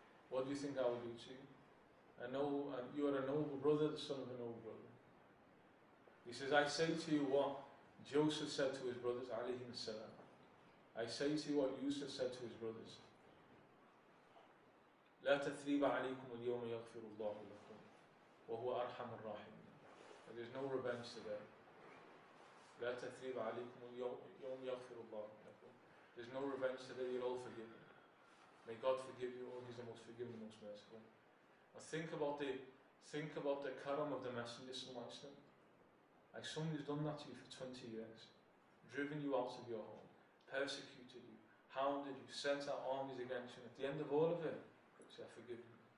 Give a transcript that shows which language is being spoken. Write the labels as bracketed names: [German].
[English] What do you think I will do to you? You are a noble brother, the son of a noble brother. He says, I say to you what Joseph said to his brothers, alayhi salam. I say to you what Yusuf said to his brothers. [Arabic] لا تثريب عليكم اليوم يغفر الله لكم وهو أرحم الراحمين. [English] There is no revenge today. [Arabic] لا تثريب عليكم اليوم يغفر الله لكم. [English] There is no revenge today, you're all forgiven. May God forgive you all, he's the most forgiving, the most merciful. Now think about the karam of the Messenger sallallahu alayhi wa sallam. Like someone who's done that to you for 20 years, driven you out of your home, persecuted you, hounded you, sent out armies against you, and at the end of all of it, say, I forgive you.